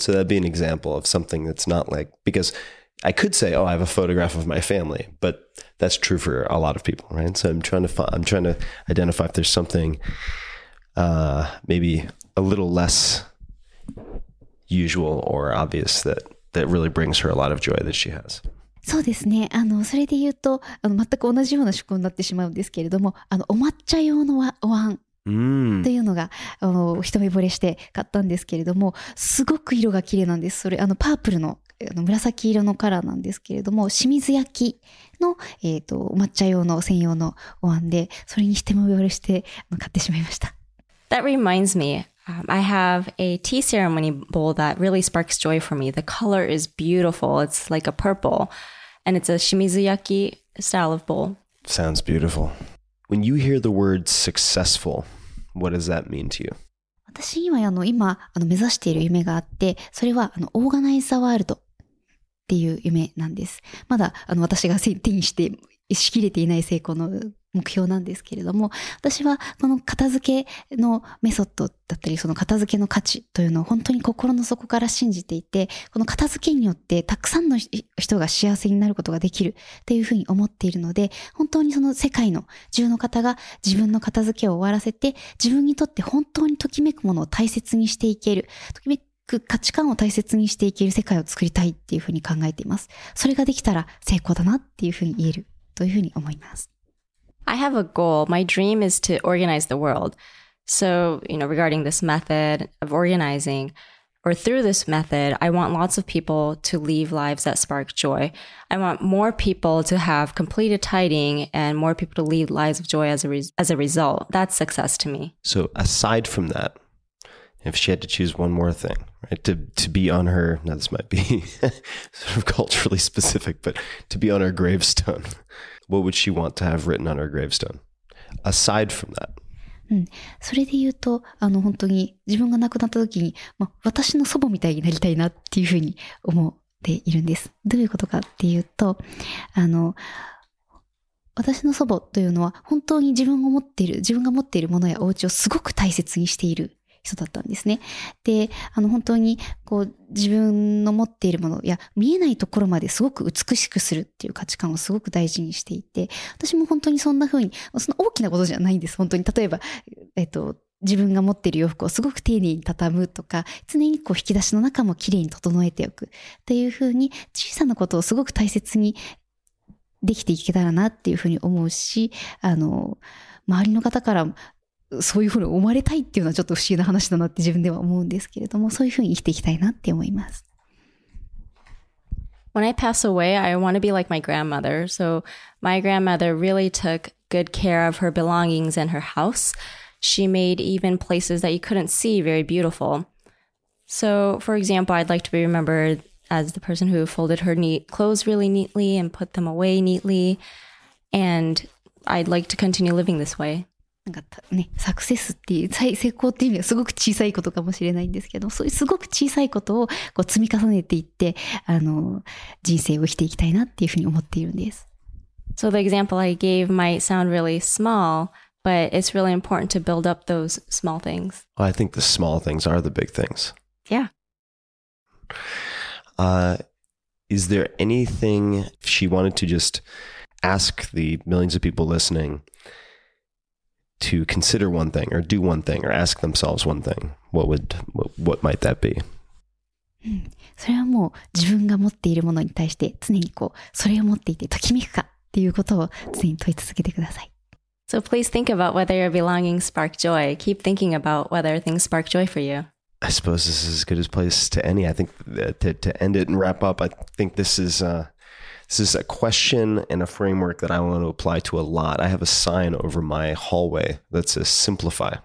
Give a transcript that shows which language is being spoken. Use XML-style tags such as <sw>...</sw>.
<en>So that'd be an example of something that's not like, because I could say, oh, I have a photograph of my family, but that's true for a lot of people, right? So I'm trying to identify if there's something. Maybe a little less usual or obvious that really brings her a lot of joy that she has.</en> <ja>そうですね。それで言うと、全く同じような思考になってしまうんですけれども、お抹茶用のお椀というのが、一目惚れして買ったんですけれども、すごく色が綺麗なんです。それ、パープルの、紫色のカラーなんですけれども、清水焼きの、お抹茶用の専用のお椀で、それに一目惚れして買ってしまいました。</ja> <en>That reminds me, I have a tea ceremony bowl that really sparks joy for me. The color is beautiful. It's like a purple, and it's a shimizuyaki style of bowl. Sounds beautiful. When you hear the word successful, what does that mean to you?</en> <ja>私には今目指している夢があって、それはオーガナイザーワールドっていう夢なんです。まだ私が手にして、しきれていない成功の目標なんですけれども、私はこの片付けのメソッドだったり、その片付けの価値というのを本当に心の底から信じていて、この片付けによってたくさんの人が幸せになることができるというふうに思っているので、本当にその世界の中の方が自分の片付けを終わらせて、自分にとって本当にときめくものを大切にしていける、ときめく価値観を大切にしていける世界を作りたいっていうふうに考えています。それができたら成功だなっていうふうに言えるというふうに思います。</ja> <en>I have a goal. My dream is to organize the world. So, you know, regarding this method of organizing, or through this method, I want lots of people to live lives that spark joy. I want more people to have completed tidying and more people to lead lives of joy as a result. That's success to me. So aside from that, if she had to choose one more thing, right, to be on her, now this might be sort of culturally specific, but to be on her gravestone... What would she want to have written on her gravestone? Aside from that.</en> <ja>それで言うと、本当に自分が亡くなった時に、私の祖母みたいになりたいなっていうふうに思っているんです。どういうことかっていうと、私の祖母というのは本当に自分を持っている、自分が持っているものやお家をすごく大切にしている人だったんですね。で、本当にこう自分の持っているものや見えないところまですごく美しくするっていう価値観をすごく大事にしていて、私も本当にそんな風に、その大きなことじゃないんです。本当に例えば、自分が持っている洋服をすごく丁寧に畳むとか、常にこう引き出しの中もきれいに整えておくっていう風に、小さなことをすごく大切にできていけたらなっていう風に思うし、周りの方からそういう風に思われたいっていうのはちょっと不思議な話だなって自分では思うんですけれども、そういう風に生きていきたいなって思います。</ja> <en>When I pass away, I want to be like my grandmother. So my grandmother really took good care of her belongings and her house. She made even places that you couldn't see very beautiful. So for example, I'd like to be remembered as the person who folded her neat clothes really neatly and put them away neatly. And I'd like to continue living this way.</en> <ja>なんかね、サクセスっていう、成功っていう意味はすごく小さいことかもしれないんですけど、そういうすごく小さいことをこう積み重ねていって、人生を生きていきたいなっていうふうに思っているんです。</ja> <en>So the example I gave might sound really small, but it's really important to build up those small things. I think the small things are the big things. Yeah. Is there anything she wanted to just ask the millions of people listening to consider one thing or do one thing or ask themselves one thing? What might that be?</en> <ja>それはもう自分が持っているものに対して常にこう、それを持っていてときめくかっていうことを常に問い続けてください。</ja> <en>So please think about whether your belongings spark joy. Keep thinking about whether things spark joy for you. I suppose this is as good a place to end it. I think to end it and wrap up, I think this is a question and a framework that I want to apply to a lot. I have a sign over my hallway that says Simplify.</en>